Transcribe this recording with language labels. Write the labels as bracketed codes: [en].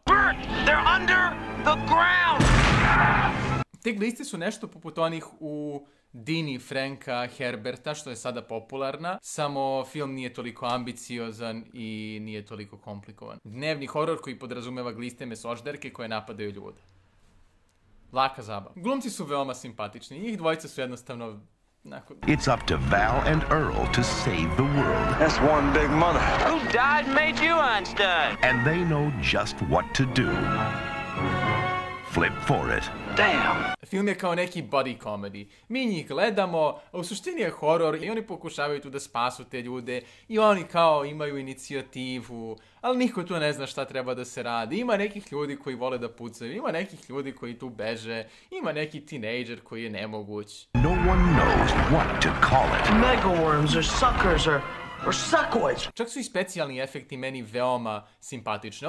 [en] They're under the ground! [sr] Te gliste su nešto poput onih u Dini Franka Herberta, što je sada popularna, samo film nije toliko ambiciozan i nije toliko komplikovan. Dnevni horor koji podrazumeva gliste mesožderke koje napadaju ljude. Laka zabava. Glumci su veoma simpatični, njih dvojica su jednostavno... [en] It's up to Val and Earl to save the world. That's one big mother. Who died and made you Einstein? And they know just what to do. Flip for it. Damn. [sr] Film je kao neki [en] body comedy. [sr] Mi njih gledamo, a u suštini je horror i oni pokušavaju tu da spasu te ljude i oni kao imaju inicijativu, ali niko tu ne zna šta treba da se radi. Ima nekih ljudi koji vole da pucaju, ima nekih ljudi koji tu beže, ima neki teenager koji je nemoguć. [en] No one knows what to call it. Megaworms or suckers or suckoids. [sr] Čak su i specijalni efekti meni veoma simpatični.